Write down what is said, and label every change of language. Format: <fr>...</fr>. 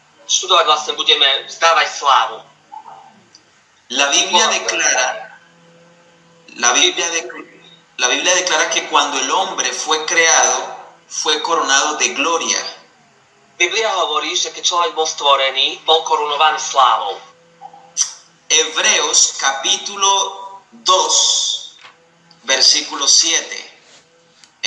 <sk>Študovať vlastne budeme vzdávať slávu.</sk> <es>La Biblia declara, la Biblia declara que cuando el hombre fue creado, fue coronado de gloria.</es> <sk>Biblia hovorí, že keď človek bol stvorený, bol korunovaný slávou.</sk> <es>Hebreos capítulo 2, versículo 7.</es>